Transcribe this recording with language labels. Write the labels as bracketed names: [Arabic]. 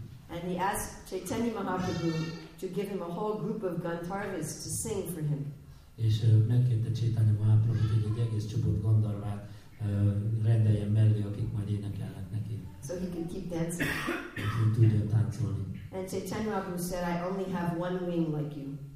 [English] And he asked Chaitanya Mahaprabhu to give him a whole group of Gandharvas to sing for him. [Hungarian] És megkérte Chaitanya Mahaprabhu, hogy egy egész csoport Gandharvát rendeljen mellé, akik majd énekelnek neki. [English] So he could keep dancing. [Hungarian] Hogy tudjon táncolni. [English] And Chaitanya Mahaprabhu said, I only have one wing like you.